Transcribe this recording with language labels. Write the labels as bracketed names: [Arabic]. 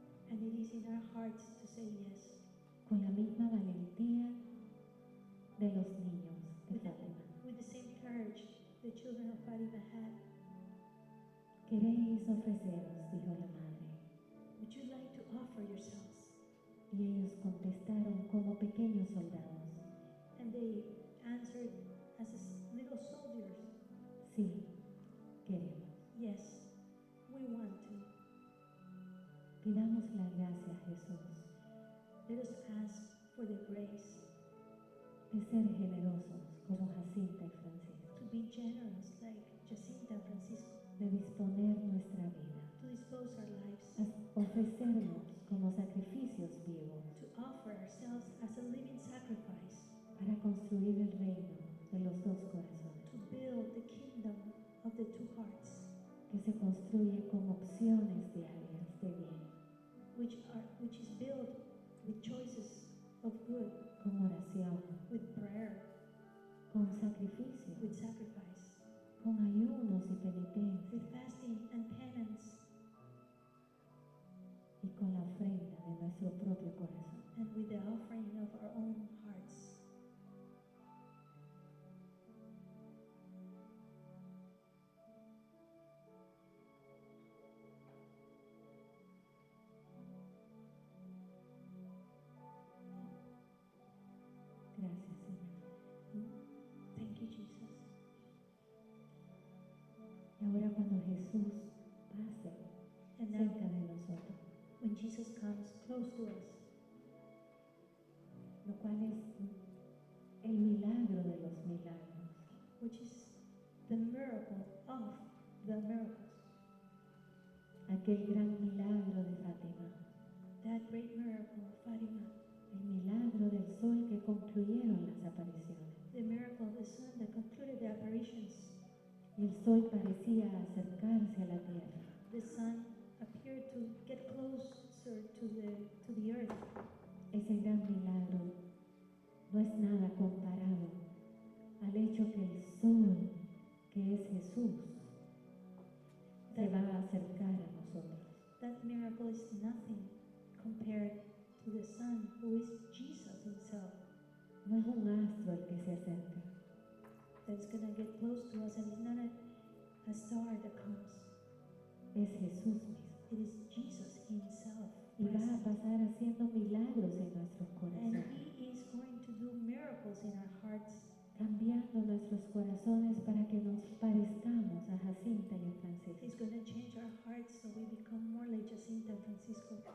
[English] And it is in our hearts to say yes. [Spanish] Con la misma valentía de los niños de Fátima. [English] With the same courage the children of Fátima had. [Spanish] ¿Queréis ofreceros?, dijo la madre. [English] Would you like to offer yourselves? [Spanish] Y ellos contestaron como pequeños soldados. [English] And they answered as little soldiers. [Spanish] Sí, queremos. [English] Yes, we want to. [Spanish] Pidamos la gracia, Jesús. [English] Let us ask for the grace. [Spanish] De ser generosos como Jacinta y Francisco. [English] To be generous like Jacinta and Francisco. [Spanish] De disponer nuestra vida. [English] To dispose our lives. [Spanish] Ofrecernos como sacrificios vivos. [English] To offer ourselves as a living sacrifice. [Spanish] Para construir el reino de los dos corazones. [English] To build the kingdom of the two hearts. [Spanish] Que se construye con opciones diarias de bien. [English] Which is built with choices of good. [Spanish] Con oración. [English] With prayer. [Spanish] Con sacrificio. [English] With sacrifice. [Spanish] Con ayunos y penitencia. [English] With fasting and penance. [Spanish] Y con la ofrenda de nuestro propio corazón. [English] And with the offering of our own hearts. [Spanish] Gracias, Señor. [English] Thank you, Jesus. [Spanish] Y ahora cuando Jesús pase cerca de nosotros, [English] when Jesus comes close to us, [Spanish] lo cual es el milagro de los milagros, [English] which is the miracle of the miracles, [Spanish] aquel gran milagro de Fátima, [English] that great miracle of Fátima, [Spanish] el milagro del sol que concluyeron las apariciones, [English] the miracle of the sun that concluded the apparitions, [Spanish] el sol parecía acercarse a la tierra, [English] the sun appeared to get closer to the earth. [Spanish] Ese gran milagro no es nada comparado al hecho que el sol, que es Jesús, se va a acercar a nosotros. [English] That miracle is nothing compared to the sun, who is Jesus himself. [Spanish] No es un astro el que se acerca. [English] That's going to get close to us, and it's not a star that comes. [Spanish] Es Jesús mismo. [English] It is Jesus himself. [Spanish] Y va a pasar haciendo milagros en nuestros corazones. [English] And he is going to do miracles in our hearts. [Spanish] Cambiando nuestros corazones para que nos parezcamos a Jacinta y a Francisco. [English] He's going to change our hearts so we become more like Jacinta and Francisco.